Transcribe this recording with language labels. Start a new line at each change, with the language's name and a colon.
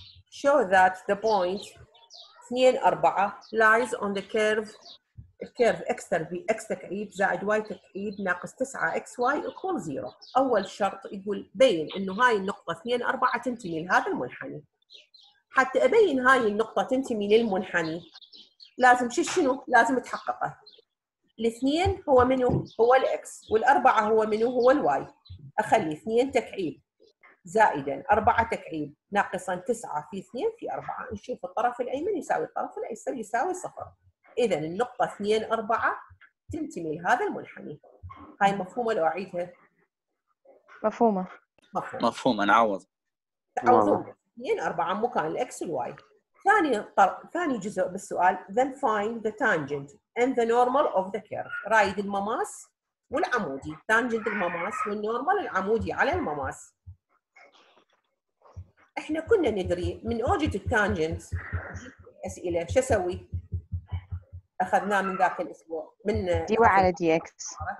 English: Show that the point 2.4 lies on the curve.
Arabic: Curve x تربيع x تكعيب زائد y تكعيب ناقص 9xy equals 0. أول شرط يقول بين إنه هاي النقطة 2.4 تنتمي لهذا المنحني. حتى أبين هاي النقطة تنتمي للمنحني لازم شنو؟ لازم تحققه. الاثنين هو منه؟ هو الx، والأربعة هو منه؟ هو الy. أخلي 2 تكعيب زائداً 4 تكعيب ناقصاً 9 في 2 في 4، نشوف الطرف الأيمن يساوي الطرف الأيسر يساوي 0. إذن النقطة 2.4 تنتمي لهذا المنحني. هاي مفهومة لو أعيدها؟ مفهومة مفهومة نعوض تعوضون 2.4 مكان الـ X والـ Y. ثاني جزء بالسؤال
English: then find the tangent and the normal of the curve.
Arabic: رايد المماس والعمودي، tangent المماس والنورمال العمودي على المماس. احنا كنا ندري من اوجه التانجنت اسئله شو اسوي اخذناه من ذاك الاسبوع من دي واي على دي اكس